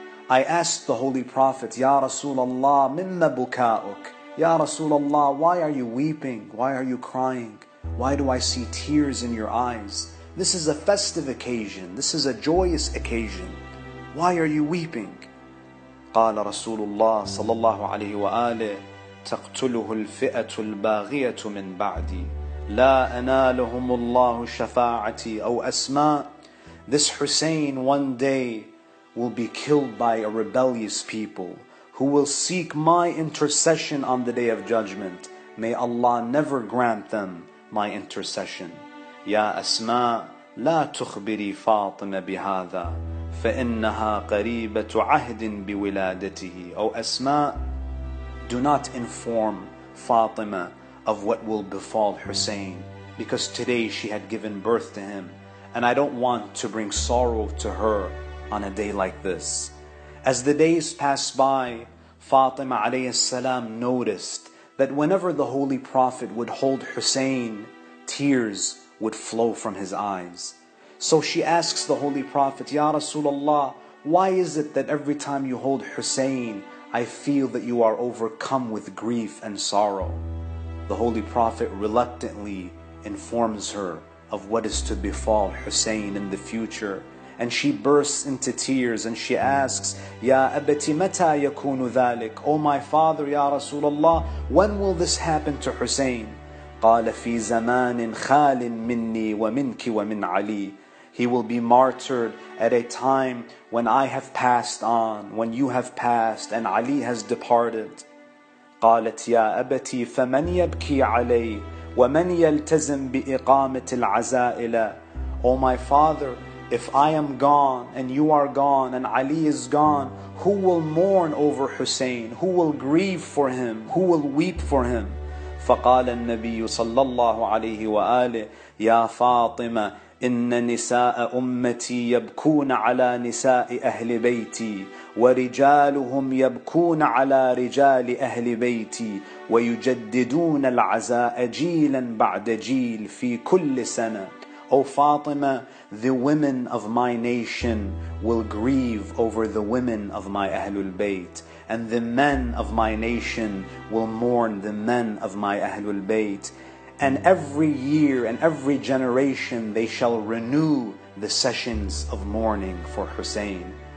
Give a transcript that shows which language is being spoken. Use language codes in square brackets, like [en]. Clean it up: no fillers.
[en] I asked the Holy Prophet, [ar] 'Ya Rasulullah, mimma buka'uk? [en] Ya Rasulullah, why are you weeping? Why are you crying? Why do I see tears in your eyes? This is a festive occasion. This is a joyous occasion. Why are you weeping?' [ar] قال رسول الله صلى الله عليه وآله: تقتله الفئة الباغية من بعدي لا أنالهم الله شفاعتي أو أسماء. [en] This Hussein one day will be killed by a rebellious people who will seek my intercession on the Day of Judgment. May Allah never grant them my intercession. [ar] يا أسماء لا تخبري فاطمة بهذا فإنها قريبة عهد بولادته. [en] أو أسماء, do not inform Fatima of what will befall Hussein, because today she had given birth to him, and I don't want to bring sorrow to her on a day like this. As the days passed by, Fatima [ar] عليه السلام [en] noticed that whenever the Holy Prophet would hold Hussein, tears would flow from his eyes. So she asks the Holy Prophet, "Ya Rasulullah, why is it that every time you hold Hussein, I feel that you are overcome with grief and sorrow?" The Holy Prophet reluctantly informs her of what is to befall Hussein in the future, and she bursts into tears and she asks, [ar] "Ya abati, mata yakunu thalik? [en] Oh my father, Ya Rasulullah, when will this happen to Hussein?" [ar] قال في زمان خال مني ومنك ومن علي. [en] He will be martyred at a time when I have passed on, when you have passed and Ali has departed. [ar] قالت يا أبتي فمن يبكي علي ومن يلتزم بإقامة العزائل. [en] O my father, if I am gone and you are gone and Ali is gone, who will mourn over Hussein? Who will grieve for him? Who will weep for him? [ar] فقال النبي صلى الله عليه وآله يا فاطمة إن نساء أمتي يبكون على نساء أهل بيتي ورجالهم يبكون على رجال أهل بيتي ويجددون العزاء جيلا بعد جيل في كل سنة. [en] O Fatima, the women of my nation will grieve over the women of my Ahlul Bayt, and the men of my nation will mourn the men of my Ahlul Bayt. And every year and every generation they shall renew the sessions of mourning for Hussein.